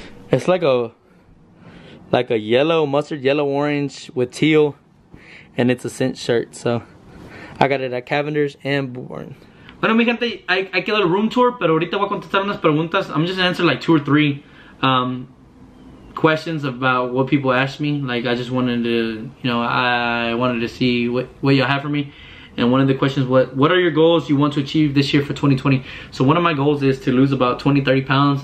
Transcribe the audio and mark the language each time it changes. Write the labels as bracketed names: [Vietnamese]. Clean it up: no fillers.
[English] It's like a yellow, mustard yellow orange with teal. And it's a cinch shirt, so I got it at Cavender's and Bourne. [Spanish] Bueno, mi gente, hay que dar [English] room tour, [Spanish] pero ahorita voy a contestar unas preguntas. [English] I'm just gonna answer like 2 or 3 questions about what people asked me. Like, I just wanted to, you know, I wanted to see what y'all have for me. And one of the questions, what are your goals you want to achieve this year for 2020? So one of my goals is to lose about 20-30 pounds.